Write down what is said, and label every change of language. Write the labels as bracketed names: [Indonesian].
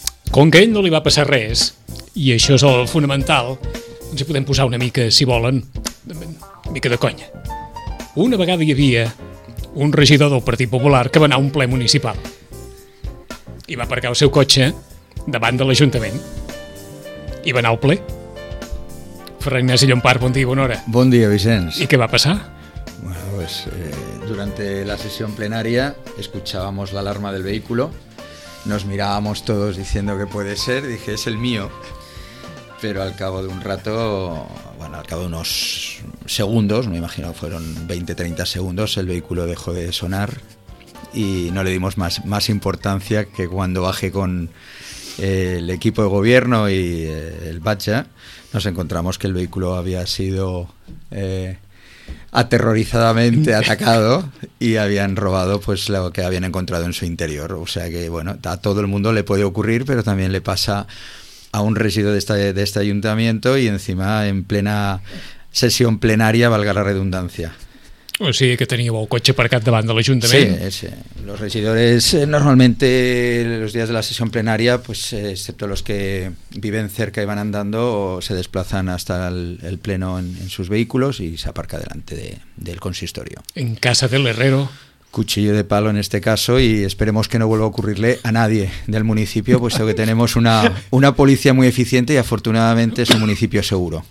[Catalan] Com que ell no li va passar res, i això és el fonamental, ens hi podem posar una mica, si volen, una mica de conya. Una vegada hi havia un regidor del Partit Popular que va anar a un ple municipal i va aparcar el seu cotxe davant de l'Ajuntament i va anar al ple. Ferran Ignasi Llompart, bon dia, bona hora. Bon dia, Vicenç. I què va passar? [Spanish] Bueno, pues durante la sesión plenaria escuchábamos la alarma del vehículo, nos mirábamos todos diciendo que puede ser, dije, es el mío. Pero al cabo de un rato, bueno, al cabo de unos segundos, me imagino que fueron 20-30 segundos, el vehículo dejó de sonar y no le dimos más importancia que cuando bajé con el equipo de gobierno y el Bacha, nos encontramos que el vehículo había sido aterrorizadamente atacado y habían robado pues lo que habían encontrado en su interior. O sea que, bueno, a todo el mundo le puede ocurrir, pero también le pasa a un residuo de este ayuntamiento y encima en plena sesión plenaria, valga la redundancia. [Catalan] O sigui que teníeu el cotxe aparcat davant de l'Ajuntament. Sí. [Spanish] Los regidores normalmente los días de la sesión plenaria, pues excepto los que viven cerca y van andando, se desplazan hasta el pleno en sus vehículos y se aparca delante del consistorio. En casa del herrero. Cuchillo de palo en este caso, y esperemos que no vuelva a ocurrirle a nadie del municipio, puesto que tenemos una policía muy eficiente y afortunadamente es un municipio seguro.